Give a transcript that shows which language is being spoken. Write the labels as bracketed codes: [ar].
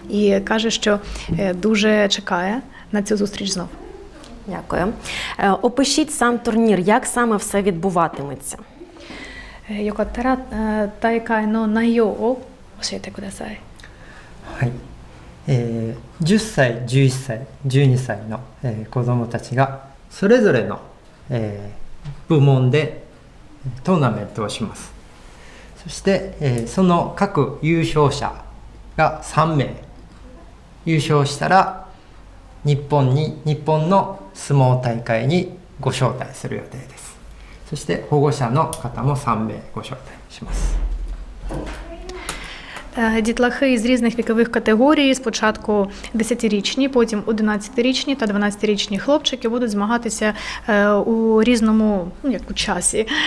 [uk] І каже, що дуже чекає на цю зустріч знов. Дякую. Опишіть сам турнір, як саме все відбуватиметься? [ja] よかったら大会の内容を教えてください。はい、10歳、11歳、12歳の、子どもたちがそれぞれの、部門でトーナメントをします。そして、その各優勝者が3名優勝したら日本の相撲大会にご招待する予定です。そして保護者の方も3名ご招待します。 [uk] Дітлахи з різних вікових категорій, спочатку 10-річні, потім 11-річні та 12-річні хлопчики будуть змагатися у різному, як у часі.